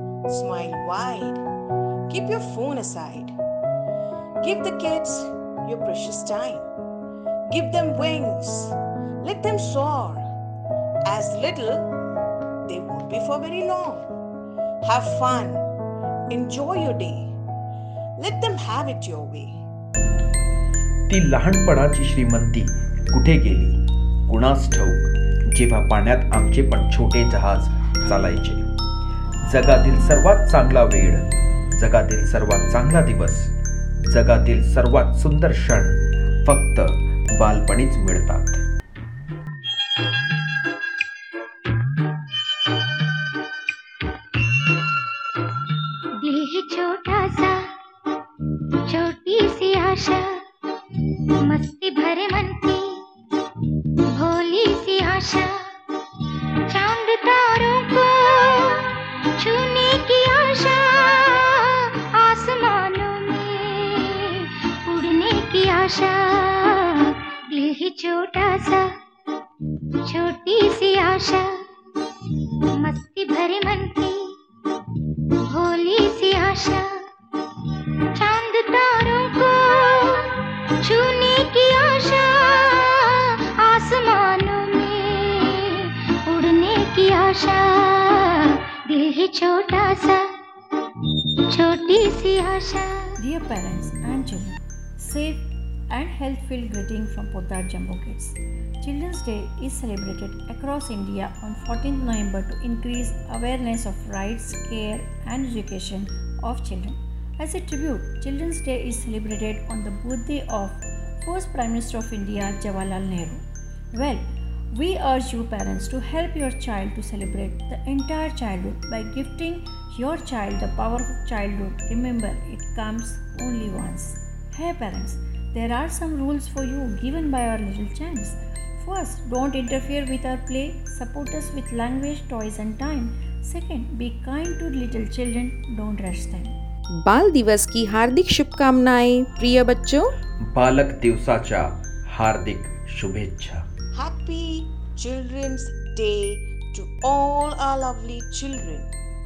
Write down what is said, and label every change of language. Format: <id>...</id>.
<en>Smile wide, keep your phone aside. Give the kids your precious time. Give them wings. Let them soar. As little, they won't be for very long. Have fun. Enjoy your day. Let them have it your way.</en> <mr>ती लहानपणाची श्रीमंती कुठे गेली? कुणास ठाऊक? जेव्हा पाण्यात आमचे पण छोटे जहाज चालायचे। जगातील सर्वात चांगला वेळ, जगातील सर्वात चांगला दिवस, जगातील सर्वात सुंदर क्षण फक्त बालपणीच मिळतात।</mr> <hi>देह छोटासा, छोटी सी आशा, मस्ती भरे मन की भोली सी आशा, चांद तारों को छूने की आशा, दिल ही छोटा सा, छोटी सी आशा, मस्ती भरे मन की भोली सी आशा, चांद तारों को छूने की आशा, आसमानों में उड़ने की आशा, दिल ही छोटा सा, छोटी सी आशा।</hi> <en>Dear parents and children, safe and health-filled greeting from Poddar Jumbo Kids. Children's Day is celebrated across India on 14th November to increase awareness of rights, care and education of children. As a tribute, Children's Day is celebrated on the birthday of first Prime Minister of India, Jawaharlal Nehru. Well, we urge you parents to help your child to celebrate the entire childhood by gifting your child the power of childhood. Remember, it comes only once. Hey parents, there are some rules for you given by our little champs. First, don't interfere with our play. Support us with language, toys and time. Second, be kind to little children. Don't rush them.</en> <hi>बाल दिवस की हार्दिक शुभकामनाएं प्रिय बच्चों।</hi> <mr>बालक दिवसाचा हार्दिक शुभेच्छा।</mr> <en>Happy Children's Day to all our lovely children.</en>